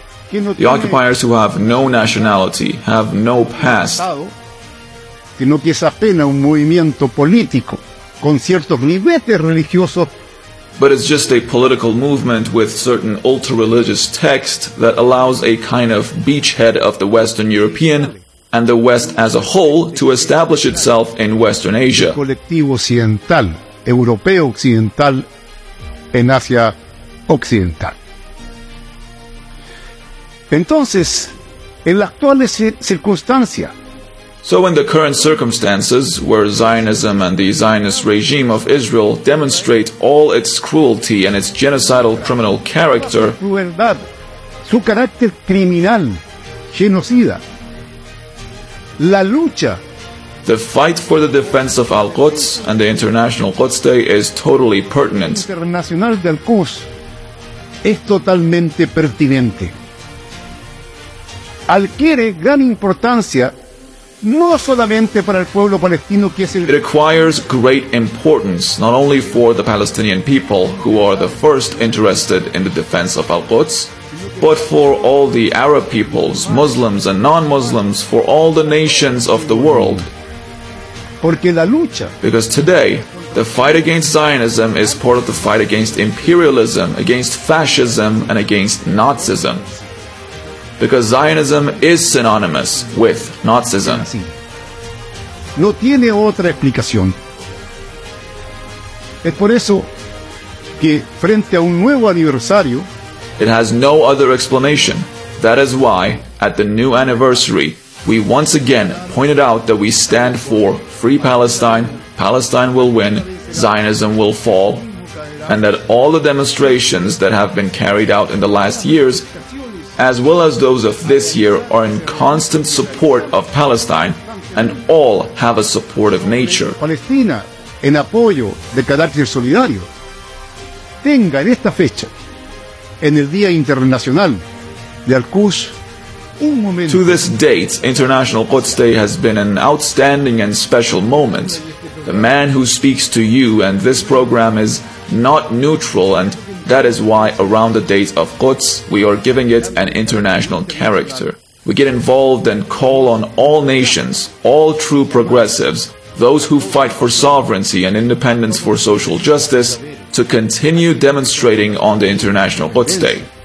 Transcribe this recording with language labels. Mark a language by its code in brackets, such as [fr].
[en] The occupiers who have no nationality, have no past, [es] sino que es apenas un movimiento político con ciertos niveles religiosos. [en] But it's just a political movement with certain ultra-religious text that allows a kind of beachhead of the Western European and the West as a whole to establish itself in Western Asia. [es] Colectivo occidental, europeo occidental, en Asia occidental. Entonces, en las actuales circunstancias. [en] So in the current circumstances, where Zionism and the Zionist regime of Israel demonstrate all its cruelty and its genocidal criminal character, [es] su carácter criminal, genocida, la lucha, [en] the fight for the defense of Al-Quds and the International Quds Day is totally pertinent. [es] Internacional de Al-Quds es totalmente pertinente. Adquiere gran importancia. No solamente para el pueblo palestino, que es el... [en] It requires great importance, not only for the Palestinian people, who are the first interested in the defense of Al-Quds, but for all the Arab peoples, Muslims and non-Muslims, for all the nations of the world. [es] Porque la lucha... [en] Because today, the fight against Zionism is part of the fight against imperialism, against fascism and against Nazism. Because Zionism is synonymous with Nazism. [es] No tiene otra explicación. Es por eso que frente a un nuevo aniversario, [en] it has no other explanation. That is why, at the new anniversary, we once again pointed out that we stand for free Palestine, Palestine will win, Zionism will fall, and that all the demonstrations that have been carried out in the last years, as well as those of this year, are in constant support of Palestine, and all have a supportive nature. [es] Palestina, en apoyo de carácter solidario, tenga en esta fecha, en el Día Internacional de Al-Quds, un momento. [en] To this date, International Quds Day has been an outstanding and special moment. The man who speaks to you and this program is not neutral, and that is why around the date of Quds, we are giving it an international character. We get involved and call on all nations, all true progressives, those who fight for sovereignty and independence for social justice, to continue demonstrating on the International Quds Day.